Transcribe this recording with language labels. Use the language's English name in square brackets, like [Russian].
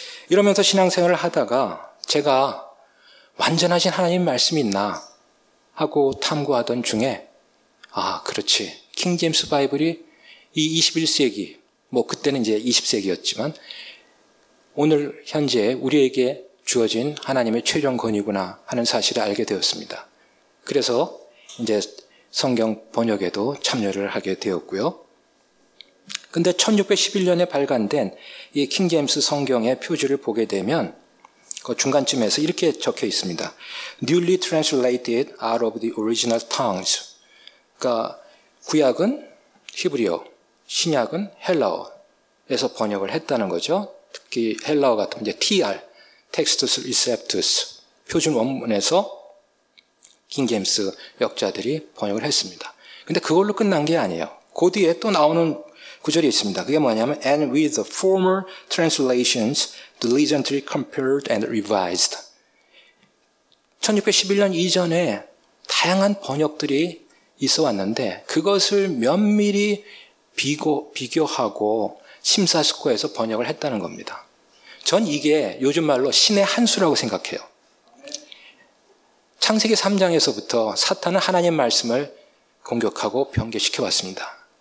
[Korean] 이러면서 신앙생활을 하다가 제가 완전하신 하나님 말씀이 있나 하고 탐구하던 중에 아 그렇지 킹제임스 바이블이 이 21세기 뭐 그때는 이제 20세기였지만 오늘 현재 우리에게 주어진 하나님의 최종 권위구나 하는 사실을 알게 되었습니다. 그래서 이제 성경 번역에도 참여를 하게 되었고요. 근데 1611년에 발간된 이 킹제임스 성경의 표지를 보게 되면 그 중간쯤에서 이렇게 적혀 있습니다. [English] Newly translated out of the original tongues. [Korean] 그러니까 구약은 히브리어, 신약은 헬라어에서 번역을 했다는 거죠. 특히 헬라어 같은 이제 TR, Textus Receptus 표준 원문에서 킹제임스 역자들이 번역을 했습니다. 근데 그걸로 끝난 게 아니에요. 그 뒤에 또 나오는 구절이 있습니다. 그게 뭐냐면 [English] And with the former translations diligently compared and revised. [Korean] 1611년 이전에 다양한 번역들이 있어 왔는데 그것을 면밀히 비교하고 심사숙고해서 번역을 했다는 겁니다. 전 이게 요즘 말로 신의 한수라고 생각해요. 창세기 3장에서부터 사탄은 하나님 말씀을 공격하고 변개시켜 왔습니다.